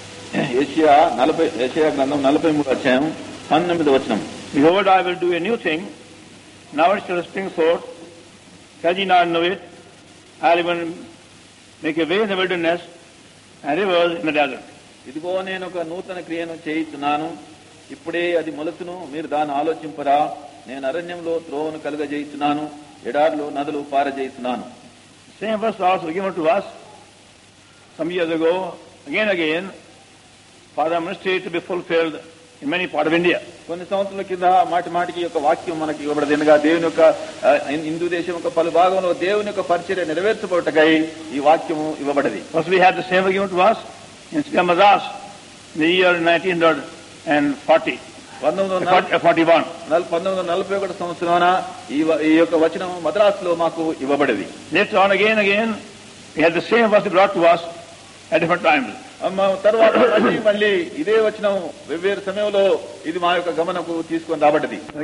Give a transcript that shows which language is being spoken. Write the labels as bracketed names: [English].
[English] Behold, I will do a new thing. Now it shall spring forth. Shall ye not know it? I'll even make a way in the wilderness and rivers in the desert. [Telugu] ఇదిగో నేను ఒక నూతన క్రియను చేయుచున్నాను. ఇప్పుడే అది మొలచును. మీరు దాని ఆలోచింపరా. నేను అరణ్యంలో త్రోవను కలుగజేయుచున్నాను. ఎడారిలో నదులు పారజేయుచున్నాను. [English] Same verse was given to us some years ago, again, for the ministry to be fulfilled in many parts of India. [Telugu] కొన్ని సంవత్సరాల కింద మాటి మాటికి ఒక వాక్యం మనకి ఇవ్వబడినగా దేవుని యొక్క హిందూ దేశం యొక్క పలు భాగంలో దేవుని యొక్క పరిచర్య నెరవేర్చబడటకై ఈ వాక్యము ఇవ్వబడింది. [English] First we had the same argument was in Sri Madras in the year 1940. [Telugu] 1941 సంవత్సరాన ఈ యొక్క వచనం మద్రాస్ లో మాకు ఇవ్వబడింది. [English] Next on again we had the same verse brought to us at different times. [Telugu] తర్వాత మళ్ళీ మళ్ళీ ఇదే వచనం వెవ్వేరు సమయంలో ఇది మా యొక్క గమనకు తీసుకొని రాబడ్డది.